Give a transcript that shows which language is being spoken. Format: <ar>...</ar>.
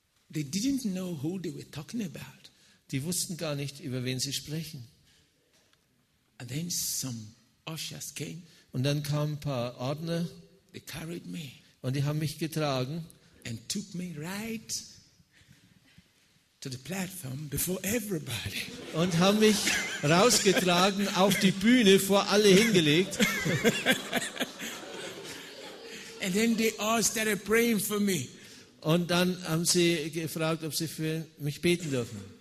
<en>They didn't know who they were talking about.</en> <de>Die wussten gar nicht, über wen sie sprechen.</de> <en>And then some ushers came.</en> <de>Und dann kamen ein paar Ordner.</de> <en>They carried me.</en> <de>Und die haben mich getragen.</de> <en>And took me right to the platform before everybody.</en> <de>Und haben mich rausgetragen auf die Bühne vor alle hingelegt.</de> <en>And then they all started praying for me.</en> <de>Und dann haben sie gefragt, ob sie für mich beten dürfen.</de>